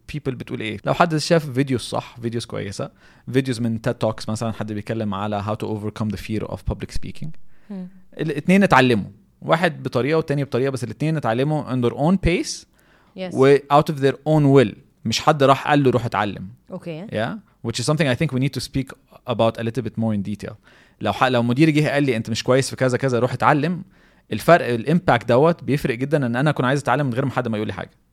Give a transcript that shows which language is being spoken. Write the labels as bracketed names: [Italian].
[Arabic] people بتقول ايه؟ لو حد شاف فيديو صح، فيديو كويسة، فيديوز من TED Talks مثلا، حد بيكلم على [English] how to overcome the fear of public speaking. [Arabic] الاثنين اتعلموا، واحد بطريقة والتانية بطريقة، بس الاثنين اتعلموا [English] on their own pace. yes. [Arabic] و [English] out of their own will، [Arabic] مش حد راح قال له روح اتعلم. [English] okay. yeah. which is something I think we need to speak about a little bit more in detail. [Arabic] لو مدير جه قال لي انت مش كويس في كذا كذا روح اتعلم، الفرق الامباكت دوت بيفرق جدا ان انا اكون عايز اتعلم من غير ما حد ما يقول لي حاجه.